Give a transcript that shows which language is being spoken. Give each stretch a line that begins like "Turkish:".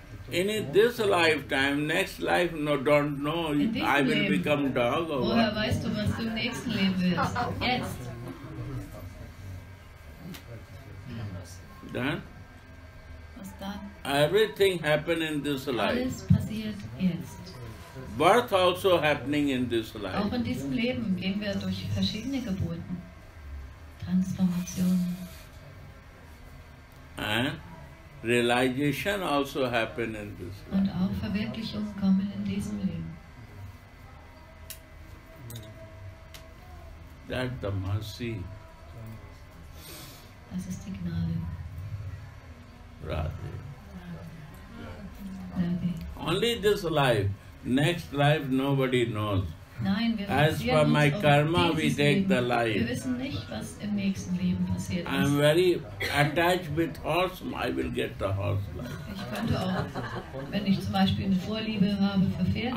English: In this lifetime, next life, no, don't know. In this I will become dog or
German: woher
English: what?
German: Weißt du, was du im nächsten Leben wirst? Jetzt. Dann? Was dann?
English: Everything happened in this life.
German: Alles passiert jetzt.
English: Birth also happening in this life.
German: Auch in diesem Leben gehen wir durch verschiedene Geburten, Transformationen.
English: And realization also happened in this life.
German: Und auch Verwirklichung kommen in diesem Leben.
English: That the mercy.
German: Das ist die Gnade.
English: Radhe. Only this life, next life nobody knows.
German: Nein, wir
English: as for my karma, we take
German: Leben.
English: The life.
German: Wir wissen nicht, was im nächsten Leben passiert ist.
English: I'm very attached with horse, I will get the horse life.
German: Ich könnte auch, wenn ich zum Beispiel eine Vorliebe habe für Pferde,